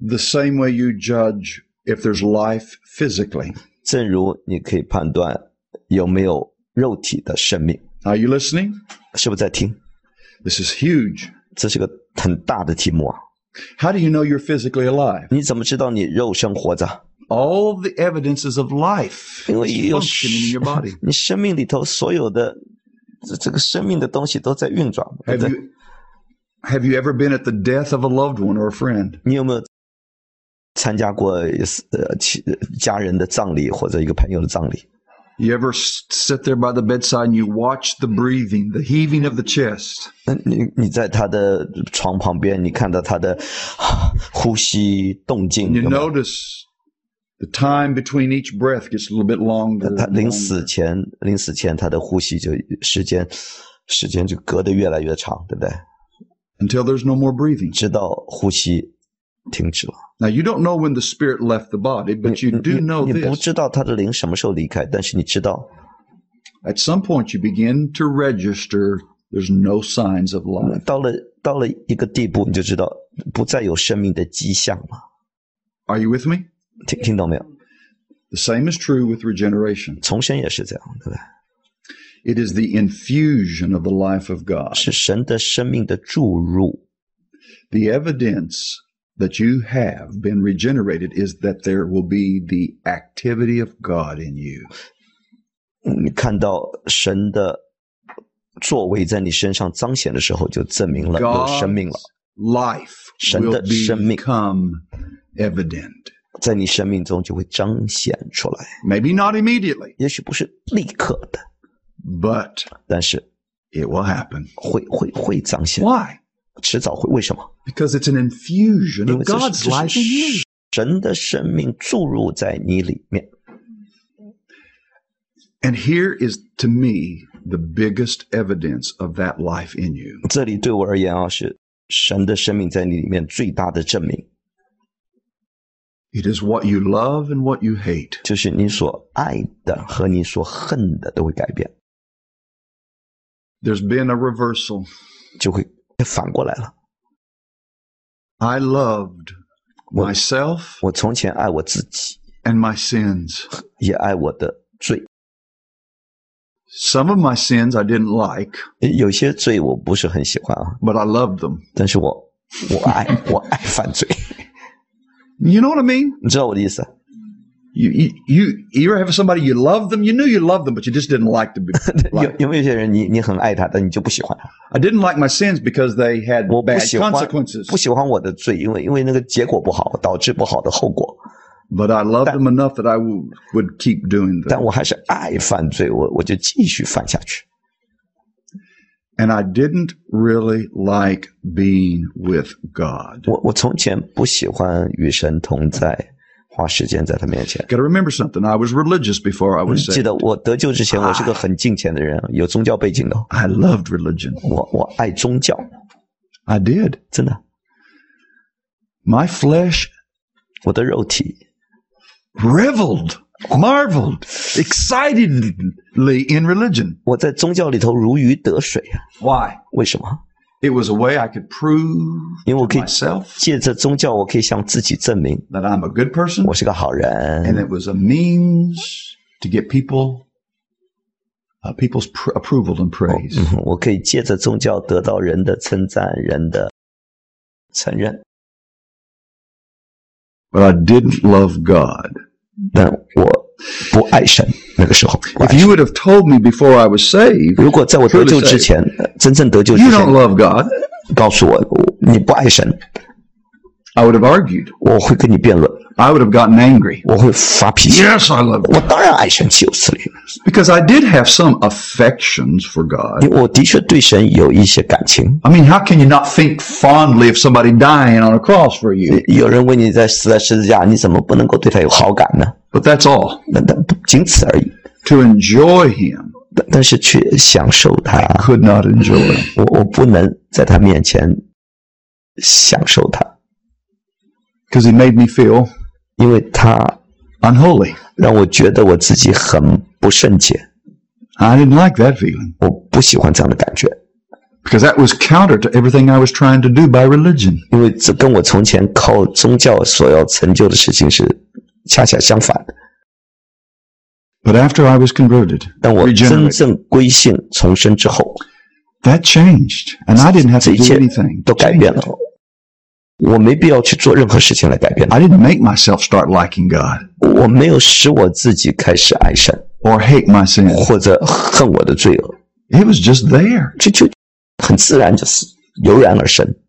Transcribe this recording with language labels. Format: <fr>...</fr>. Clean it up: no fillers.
<en>The same way you judge if there's life physically.</en> <zh>正如你可以判断有没有肉体的生命。</zh> <en>Are you listening?</en> <zh>是不是在听?</zh> <en>This is huge.</en> <zh>这是个很大的题目啊。</zh> <en>How do you know you're physically alive?</en> <zh>你怎么知道你肉身活着?</zh> <en>All the evidences of life functioning in your body.</en> <zh>你生命里头所有的这个生命的东西都在运转。</zh> <en>Have you ever been at the death of a loved one or a friend?</en> <zh>你有没有参加过家人的葬礼或者一个朋友的葬礼?</zh> <en>You ever sit there by the bedside and you watch the breathing, the heaving of the chest?</en> <zh>你在他的床旁边，你看到他的呼吸动静。</zh> <en>You notice the time between each breath gets a little bit longer.</en> <zh>他临死前他的呼吸就时间就隔得越来越长，对不对？</zh> <en>Until there's no more breathing.</en> <zh>直到呼吸停止了。</zh> <en>Now you don't know when the spirit left the body, but you do know this.</en> <zh>你不知道他的灵什么时候离开，但是你知道。</zh> <en>At some point you begin to register there's no signs of life.</en> <zh>到了一个地步，你就知道不再有生命的迹象了。</zh> <en>Are you with me?</en> <zh>听到没有？</zh> <en>The same is true with regeneration.</en> <zh>重生也是这样，对吧？</zh> <en>It is the infusion of the life of God.</en> <zh>是神的生命的注入。</zh> <en>The evidence that you have been regenerated is that there will be the activity of God in you.</en> <zh>你看到神的作为在你身上彰显的时候，就证明了有生命了。</zh> <en>Life will become evident.</en> <zh>在你生命中就会彰显出来。</zh> <en>Maybe not immediately.</en> <zh>也许不是立刻的。</zh> <en>But,</en> <zh>但是</zh> <en>it will happen.</en> <zh>会彰显。</zh> <en>Why?</en> <zh>迟早会，为什么？</zh> <en>Because it's an infusion of God's life in you.</en> <zh>神的生命注入在你里面。</zh> <en>And here is, to me, the biggest evidence of that life in you.</en> <zh>这里对我而言啊，是神的生命在你里面最大的证明。</zh> <en>It is what you love and what you hate.</en> <zh>就是你所爱的和你所恨的都会改变。</zh> <en>There's been a reversal.</en> <zh>就会反过来了。</zh> <en>I loved myself.</en> <zh>我从前爱我自己。</zh> <en>And my sins.</en> <zh>也爱我的罪。</zh> <en>Some of my sins I didn't like.</en> <zh>有些罪我不是很喜欢啊。</zh> <en>But I loved them.</en> <zh>但是我爱犯罪。</zh> <en>You know what I mean?</en> <zh>你知道我的意思？</zh> <en>You have somebody you love them, you knew you love them, but you just didn't like to be liked.</en> <zh>有些人你很爱他，但你就不喜欢他。</zh> <en>I didn't like my sins because they had bad consequences.</en> <zh>不喜欢我的罪，因为那个结果不好，导致不好的后果。</zh> <en>But I loved them enough that I would keep doing them.</en> <zh>但我还是爱犯罪，我就继续犯下去。</zh> <en>And I didn't really like being with God.</en> <zh>我从前不喜欢与神同在。花时间在他面前。</zh> <en>Gotta remember something. I was religious before I was saved.</en> <zh>记得我得救之前，我是个很敬虔的人，有宗教背景的。</zh> <en>I loved religion.</en> <zh>我爱宗教。</zh> <en>I did.</en> <zh>真的。</zh> <en>My flesh,</en> <zh>我的肉体</zh> <en>reveled, marveled, excitedly in religion.</en> <zh>我在宗教里头如鱼得水。</zh> <en>Why?</en> <zh>为什么？</zh> <en>It was a way I could prove to myself.</en> <zh>因为我可以借着宗教，我可以向自己证明</zh> <en>that I'm a good person.</en> <zh>我是个好人。</zh> <en>And it was a means to get people's approval and praise.</en> <zh>我可以借着宗教得到人的称赞，人的承认。</zh> <en>But I didn't love God.</en> <zh>但我不爱神。那个时候</zh> <en>，If you would have told me before I was saved，</en> <zh>如果在我得救之前，</zh> <en>saved,</en> <zh>真正得救之前</zh> <en>，You don't love God，</en> <zh>告诉我你不爱神</zh> <en>I would have argued.</en> <zh>我会跟你辩论。</zh> <en>I would have gotten angry.</en> <zh>我会发脾气。</zh> <en>Yes, I love God.</en> <zh>我当然爱神岂有此理。</zh> <en>Because I did have some affections for God.</en> <zh>我的确对神有一些感情。</zh> <en>I mean, how can you not think fondly of somebody dying on a cross for you?</en> <zh>有人为你在死在十字架，你怎么不能够对他有好感呢？</zh> <en>But that's all.</en> <zh>那仅此而已。</zh> <en>To enjoy him.</en> <zh>但是去享受他。</zh> <en>I could not enjoy him.</en> <zh>我不能在他面前享受他。</zh> <en>Because he made me feel</en> <zh>因为他</zh> <en>unholy,</en> <zh>让我觉得我自己很不圣洁。</zh> <en>I didn't like that feeling.</en> <zh>我不喜欢这样的感觉。</zh> <en>Because that was counter to everything I was trying to do by religion.</en> <zh>因为这跟我从前靠宗教所要成就的事情是恰恰相反的。</zh> <en>But after I was converted,</en> <zh>但我真正归信重生之后</zh> <en>that changed, and I didn't have to do anything.</en> <zh>都改变了。我没必要去做任何事情来改变。</zh> <en>I didn't make myself start liking God.</en> <zh>我没有使我自己开始爱神。</zh> <en>Or hate my sin.</en> <zh>或者恨我的罪恶。</zh> <en>It was just there.</en> <zh>就很自然就是油然而生。</zh>